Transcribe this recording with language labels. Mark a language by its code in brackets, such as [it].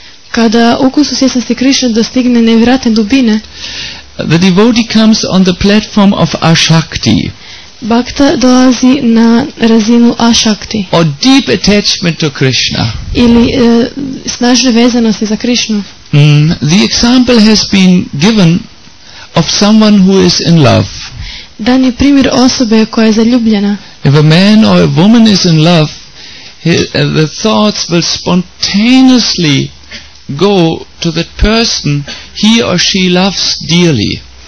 [hr] kada ukus u svjesnosti Krišna dostigne nevjerojatne dubine, [en] the devotee comes on the platform of ashakti. [hr] Bhakta dolazi na razinu ashakti. [en] Or deep attachment to Krishna. [hr] Ili snažne vezanosti za Krišnu. [en] The example has been given of someone who is in love. [hr] Dan je primjer osobe koja je zaljubljena. [en] If a man or a woman is in love, the thoughts will spontaneously go to that person he or she loves dearly.